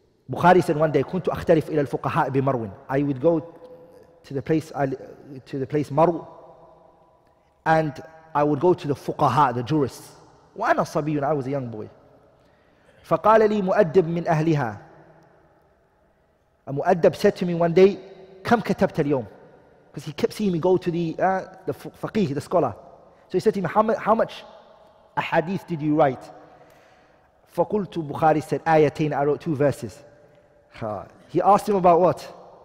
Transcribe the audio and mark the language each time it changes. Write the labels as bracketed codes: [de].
[en] Bukhari said one day, [ar] كنت أختلف إلى الفقهاء بمروين. [en] I would go to the place Marw, and I would go to the fuqaha, the jurists. [ar] وأنا صبي, [en] I was a young boy. [ar] فقال لي مؤدب من أهلها. [en] A مؤدب said to me one day, [ar] كم كتبت اليوم? [en] Because he kept seeing me go to the faqih, the scholar. So he said to him, how much a hadith did you write? Faqultu, Bukhari said, ayatain, I wrote two verses. He asked him about what?